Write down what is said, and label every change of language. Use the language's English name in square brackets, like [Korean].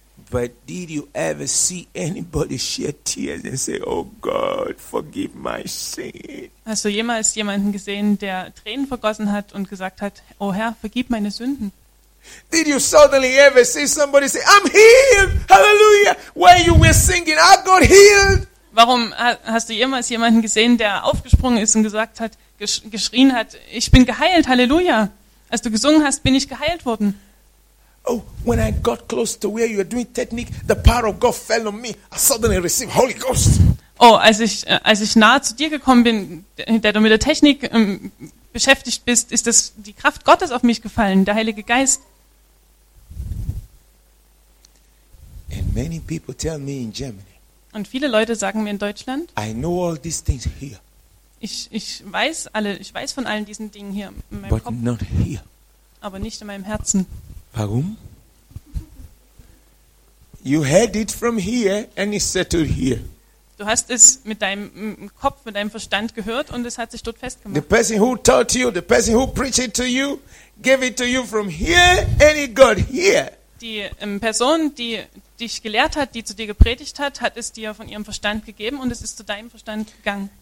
[English] But did you ever see anybody shed tears and say, "Oh God, forgive my sin"? [German] Hast du jemals jemanden gesehen, der Tränen vergossen hat und gesagt hat, "Oh Herr, vergib meine Sünden"? [English] Did you suddenly ever see somebody say, "I'm healed, hallelujah"? While you were singing, "I got healed"? [German] Warum hast du jemals jemanden gesehen, der aufgesprungen ist und gesagt hat, geschrien hat, "Ich bin geheilt, Halleluja"? Als du gesungen hast, bin ich geheilt worden. [English] Oh, when I got close to where you were doing technique, the power of God fell on me. I suddenly received Holy Ghost. [German] Oh, als ich nahe zu dir gekommen bin, der du mit der Technik beschäftigt bist, ist das die Kraft Gottes auf mich gefallen, der Heilige Geist. [English] And many people tell me in Germany. [German] Und viele Leute sagen mir in Deutschland. [English] I know all these things here. [German] Ich weiß von allen diesen Dingen hier in meinem [English] But [German] Kopf, [English] not here. [German] Aber nicht in meinem Herzen. Warum? [English] You had it from here and it settled here. [German] Du hast es mit deinem Kopf, mit deinem Verstand gehört und es hat sich dort festgemacht. [English] The person who taught you, the person who preached it to you, gave it to you from here and it got here. [German] Die Person, die dich gelehrt hat, die zu dir gepredigt hat, hat es dir von ihrem Verstand gegeben und es ist zu deinem Verstand gegangen.